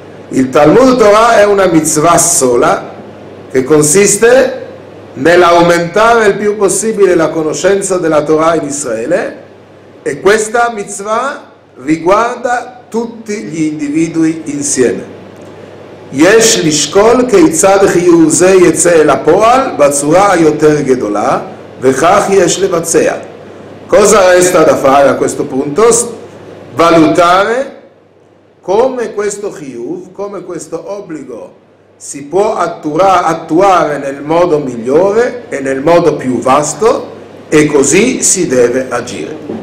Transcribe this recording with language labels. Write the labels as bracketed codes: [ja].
[it] Il Talmud Torah è una mitzvah sola che consiste nell'aumentare il più possibile la conoscenza della Torah in Israele, e questa mitzvah riguarda tutti gli individui insieme. [he] יש לשקול כיצד חיוב זה יצא אל הפועל בצורה היותר גדולה, וכך יש לבצע. [it] Cosa resta da fare a questo punto? Valutare come questo chiuv, come questo obbligo si può attuare nel modo migliore e nel modo più vasto, e così si deve agire.